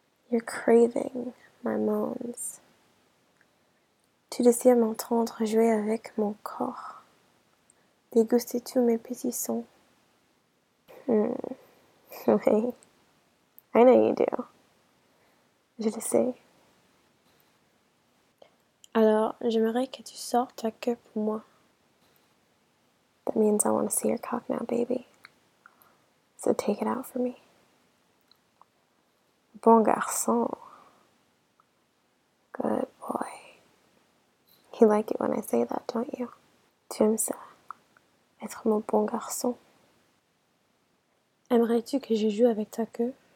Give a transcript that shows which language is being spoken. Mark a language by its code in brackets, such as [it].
[en] You're craving my moans. [fr] Tu désires m'entendre jouer avec mon corps, déguster tous mes petits sons. [en] Oui, I know you do. [fr] Je le sais. Alors, j'aimerais que tu sortes ta queue pour moi. [en] That means I want to see your cock now, baby. So take it out for me. [fr] Bon garçon. [en] Good boy. You like it when I say that, don't you? [fr] Tu aimes ça? Être mon bon garçon. Aimerais-tu que je joue avec ta queue?